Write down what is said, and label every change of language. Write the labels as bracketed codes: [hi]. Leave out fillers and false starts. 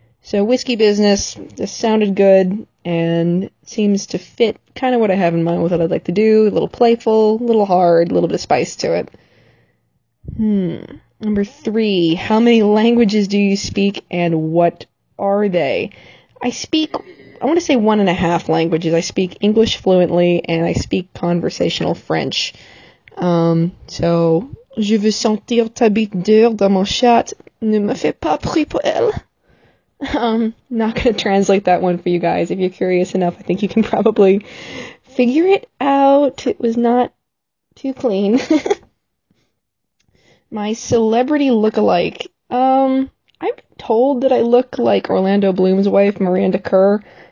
[en] So Whiskey Business just sounded good and seems to fit kind of what I have in mind with what I'd like to do. A little playful, a little hard, a little bit of spice to it. Number three, how many languages do you speak and what are they? I want to say 1.5 languages. I speak English fluently and I speak conversational French. [fr] So, je veux sentir ta bite dure dans mon chat. Ne me fais pas prier pour elle. [en] Not gonna translate that one for you guys. If you're curious enough, I think you can probably figure it out. It was not too clean. My celebrity look-alike. I'm told that I look like Orlando Bloom's wife, Miranda Kerr.